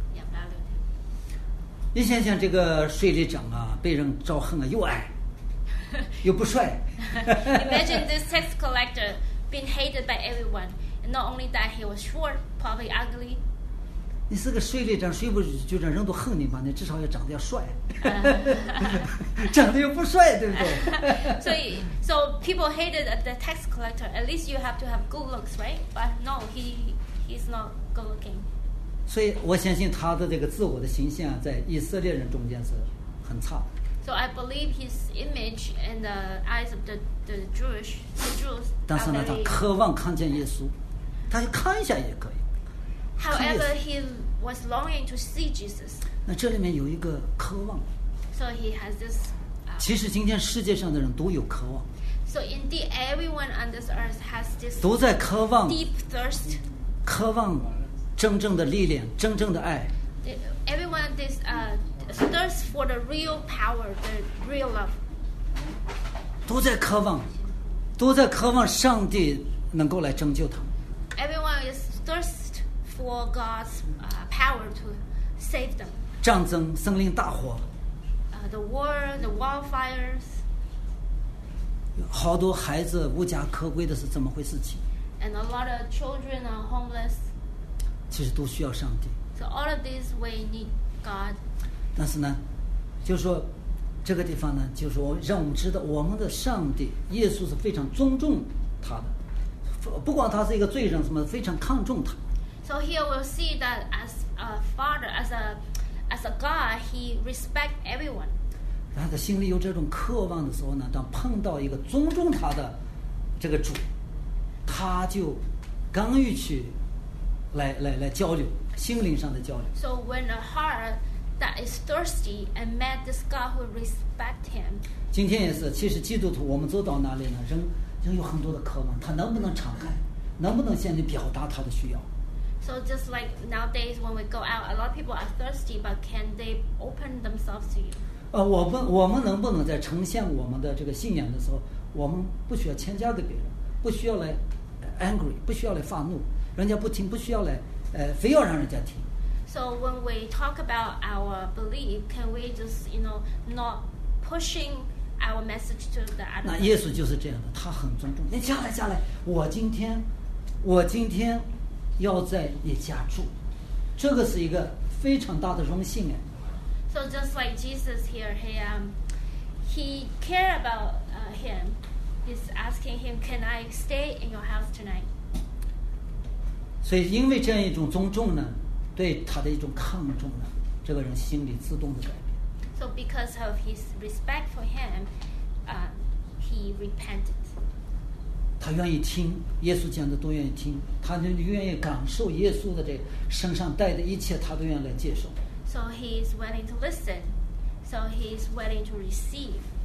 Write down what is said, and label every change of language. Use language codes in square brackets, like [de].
[en] Yeah, valued him. [zh] 这个税吏长啊，被人招恨啊，又矮，又不帅。 [en] Imagine this tax collector being hated by everyone. And not only that, he was short, probably ugly. [zh] 你是个税吏长，税务局长，人都恨你嘛。你至少要长得要帅，长得又不帅，对不对？ [en] So people hated the tax collector. At least you have to have good looks, right? But no, he's not good looking. [zh] 所以我相信他的这个自我的形象在以色列人中间是很差的。 [en] So I believe his image in the eyes of the Jewish, the Jews. [zh] 但是呢，他渴望看见耶稣，他就看一下也可以。 [en] However, he was longing to see Jesus. [zh] 那这里面有一个渴望。 [en] So he has this. [zh] 其实今天世界上的人都有渴望。 [en] So indeed, everyone on this earth has this. [zh] 都在渴望。 [en] Deep thirst. [zh] 渴望真正的力量，真正的爱。 [en] Everyone this thirst for the real power, the real love. [zh] 都在渴望，都在渴望上帝能够来拯救他们。 [en] Everyone is thirst for God's power to save them. [zh] 战争，森林大火。 [en] The war, the wildfires. [zh] 好多孩子无家可归的是怎么回事情 [en] ？And a lot of children are homeless. [zh] 其实都需要上帝。 [en] So all of this we need God. [zh] 但是呢，就是说这个地方呢，就是说让我们知道我们的上帝耶稣是非常尊重他的，不管他是一个罪人什么，非常看重他。 [en] So here we'll see that as a father, as a God, he respects everyone. [zh] 他的心里有这种渴望的时候呢，当碰到一个尊重他的这个主，他就刚欲去。来交流，心灵上的交流。 [en] So when a heart that is thirsty and met this God who respect him. [zh] 今天也是，其实基督徒我们走到哪里呢？人有很多的渴望，他能不能敞开，能不能向你表达他的需要 [en] ？So just like nowadays when we go out, a lot of people are thirsty, but can they open themselves to you? [zh] 我们能不能在呈现我们的这个信仰的时候，我们不需要强加给别人，不需要来 angry， 不需要来发怒。人家不听，不需要来，非要让人家听。 [en] So when we talk about our belief, can we just, you know, not pushing our message to the other? [zh] 那耶稣就是这样的，他很尊重。你下来，下来，我今天要在你家住，这个是一个非常大的荣幸哎。 [en] So just like Jesus here, he care about him. He's asking him, "Can I stay in your house tonight?" [zh] 所以因为这样一种尊重呢，对他的一种看重呢，这个人心里自动的改变。 [en] So because of his respect for him, he repented. [zh] 他愿意听耶稣讲的都愿意听，他愿意感受耶稣的这身上带的一切，他都愿意来接受。 [en] So he is willing to listen. So he is willing to receive.